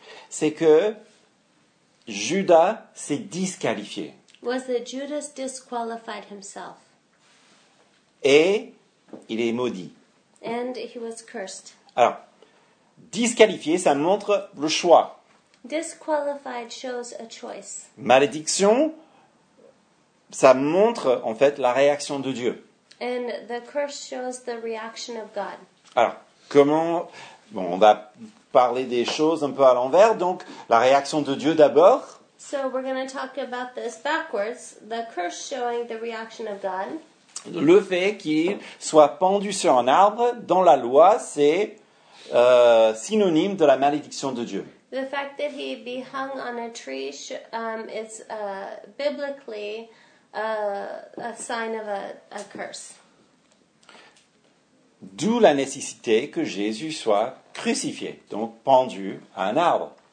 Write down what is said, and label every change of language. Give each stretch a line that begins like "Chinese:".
French: c'est que Judas s'est disqualifié.
English: Was that Judas disqualified himself.
French: Et il est maudit.
English: And he was cursed.
French: Alors, disqualifié, ça montre le choix.
English: Disqualified shows a choice.
French: Malédiction, ça montre en fait la réaction de Dieu.
English: And the curse shows the reaction of God.
French: Alors, comment... Bon, on va parler des choses un peu à l'envers. Donc, la réaction de Dieu d'abord.
English: So, we're going to talk about this backwards. The curse showing the reaction of God.
French: Le fait qu'il soit pendu sur un arbre, dans la loi, c'est synonyme de la malédiction de Dieu.
English: The fact that he be hung on a tree is biblically a sign of a curse.
French: D'où la nécessité que Jésus soit crucifié, donc pendu à un arbre.